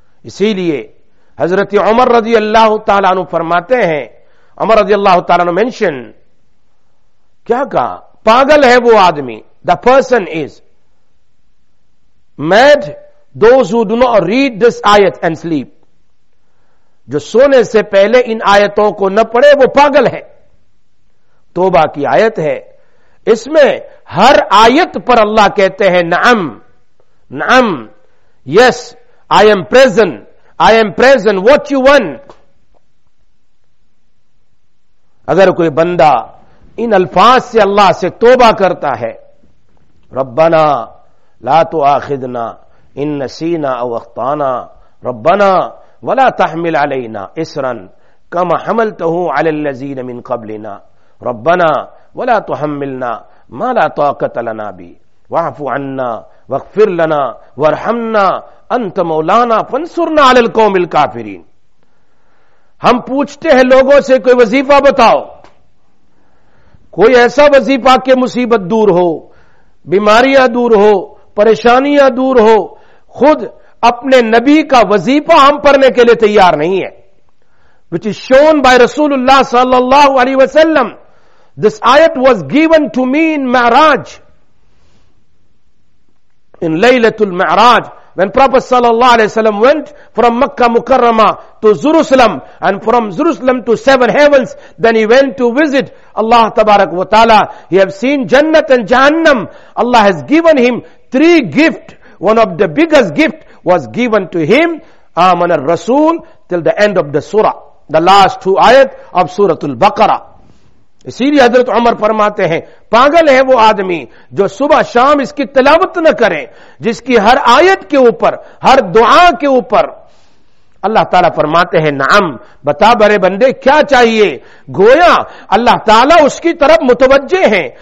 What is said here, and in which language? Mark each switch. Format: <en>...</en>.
<ur>اسی لیے حضرت عمر رضی اللہ تعالیٰ عنہ فرماتے ہیں, عمر رضی اللہ تعالیٰ عنہ mention کیا کہا, پاگل ہے وہ آدمی,</ur> <en>the person is mad, those who do not read this</en> <ur>آیت</ur> <en>and sleep,</en> <ur>جو سونے سے پہلے ان آیتوں کو نہ پڑھے وہ پاگل ہے. توبہ کی آیت ہے, اس میں ہر آیت پر اللہ کہتے ہیں نعم نعم,</ur> <en>yes I am present, I am present, what you want.</en> <ur>اگر کوئی بندہ ان الفاظ سے اللہ سے توبہ کرتا ہے,</ur> <ar>ربنا لا تؤاخذنا ان نسینا او اخطانا, ربنا ولا تحمل علينا اسرا كما حملته على الذين من قبلنا, ربنا ولا تحملنا ما لا طاقه لنا به, واعف عنا واغفر لنا وارحمنا انت مولانا فانصرنا على القوم الكافرين.</ar> <ur>ہم پوچھتے ہیں لوگوں سے کوئی وظیفہ بتاؤ, کوئی ایسا وظیفہ کہ مصیبت دور ہو, بیماریاں دور ہو, پریشانیاں دور ہو. خود اپنے نبی کا وظیفہ ہم پڑھنے کے لیے تیار نہیں ہے.</ur> <en>Which is shown by رسول اللہ صلی اللہ علیہ وسلم, this ayat was given to me in Miraj, in لیلۃ المعراج, when Prophet صلی اللہ علیہ وسلم went from Makkah Mukarramah to Jerusalem and from Jerusalem to seven heavens, then he went to visit Allah تبارک و تعالی. He have seen Jannat and Jahannam. Allah has given him three gifts. One of the biggest gifts was given to him, Aman al-Rasul, till the end of the surah, the last two ayat of Surah al-Baqarah.</en> <ur>اسی لئے حضرت عمر فرماتے ہیں, پاگل ہے وہ آدمی جو صبح شام اس کی تلاوت نہ کرے, جس کی ہر آیت کے اوپر, ہر دعا کے اوپر اللہ تعالیٰ فرماتے ہیں نعم, بتا برے بندے کیا چاہیے. گویا اللہ تعالیٰ اس کی طرف متوجہ ہیں.</ur>